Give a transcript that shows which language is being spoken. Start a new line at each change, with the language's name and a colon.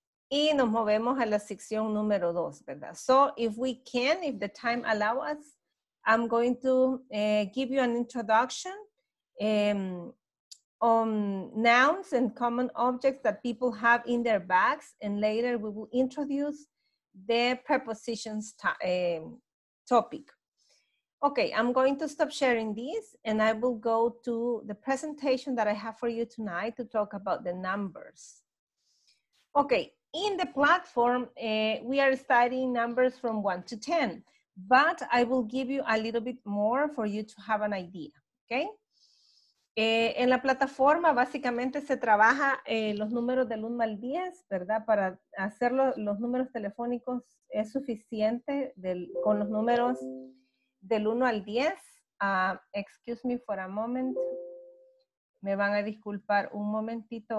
Spanish: Y nos movemos a la sección número dos, ¿verdad?
English: So if we can, if the time allows us, I'm going to give you an introduction on nouns and common objects that people have in their bags, and later we will introduce the prepositions topic. Okay, I'm going to stop sharing this and I will go to the presentation that I have for you tonight to talk about the numbers. Okay, in the platform, we are studying numbers from 1 to 10. But I will give you a little bit more for you to have an idea, okay?
Spanish: En la plataforma, básicamente, se trabaja los números del 1 al 10, ¿verdad? Para hacer los números telefónicos es suficiente con los números del 1 al 10.
English: Excuse me for a moment.
Spanish: Me van a disculpar un momentito.